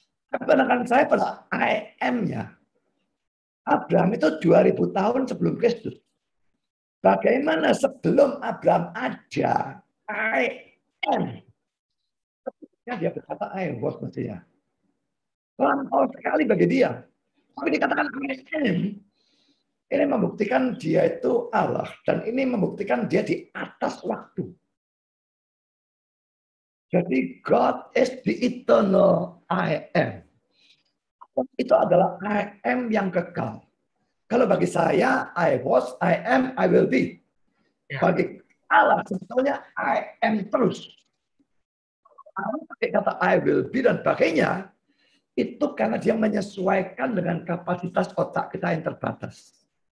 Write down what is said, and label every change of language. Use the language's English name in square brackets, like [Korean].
[Indonesian] Kebenaran saya pada [English] I am- [Indonesian] nya Abraham itu 2000 tahun sebelum Kristus. Bagaimana sebelum Abraham ada [English] I am? [Indonesian] Ya, dia berkata [English] I was [Indonesian] maksudnya. Lampau sekali bagi dia. Tapi dikatakan [English] I am. [Indonesian] Ini membuktikan dia itu Allah. Dan ini membuktikan dia di atas waktu. Jadi [English] God is the eternal I am. [Indonesian] Itu adalah [English] I am [Indonesian] yang kekal. Kalau bagi saya, [English] I was, I am, I will be. [Indonesian] Bagi Allah, sebetulnya [English] I am [Indonesian] terus. Allah pakai kata [English] I will be [Indonesian] dan sebagainya. Itu karena dia menyesuaikan dengan kapasitas otak kita yang terbatas.